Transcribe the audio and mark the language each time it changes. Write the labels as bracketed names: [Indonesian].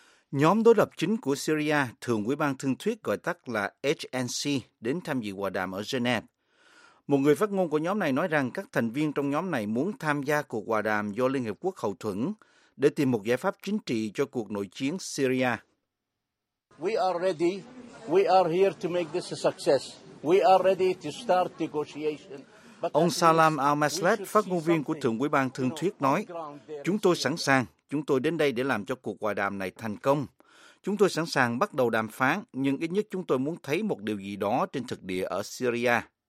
[Vietnamese] Nhóm đối lập chính của Syria, Thượng Ủy ban Thương thuyết gọi tắt là HNC, đến tham dự hòa đàm ở Geneva. Một người phát ngôn của nhóm này nói rằng các thành viên trong nhóm này muốn tham gia cuộc hòa đàm do Liên Hiệp Quốc hậu thuẫn để tìm một giải pháp chính trị cho cuộc nội chiến Syria. [English] We are ready. We are here to make this a success. We are ready to start negotiation. [Vietnamese] Ông Salam Al-Maslek, phát ngôn viên của Thượng Ủy ban Thương thuyết nói, chúng tôi sẵn sàng, chúng tôi đến đây để làm cho cuộc hòa đàm này thành công. Chúng tôi sẵn sàng bắt đầu đàm phán, nhưng ít nhất chúng tôi muốn thấy một điều gì đó trên thực địa ở Syria.